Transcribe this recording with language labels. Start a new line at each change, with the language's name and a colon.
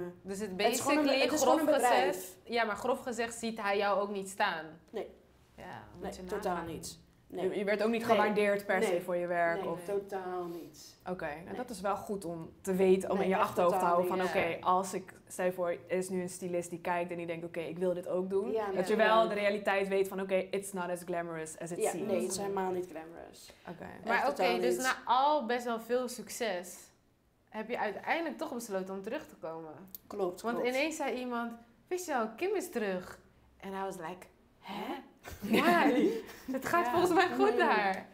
Dutch: dus het basically, grof gezegd, ziet hij jou ook niet staan? Nee. Ja, nee, totaal niet. Nee. Je werd ook niet gewaardeerd per se voor je werk? Nee, of? Totaal niet. Oké, en dat is wel goed om te weten, om in je achterhoofd te houden van als ik, stel voor, er is nu een stylist die kijkt en die denkt, ik wil dit ook doen. Ja, dat je wel de realiteit weet van,
English: it's not as glamorous as it seems.
Dutch: Nee, het is helemaal niet glamorous. Dus na al best wel veel succes, heb je uiteindelijk toch besloten om terug te komen. Klopt, want ineens zei iemand, wist je al, Kim is terug. En hij was like, hè?
English: Why?
Dutch: Het gaat volgens mij goed daar.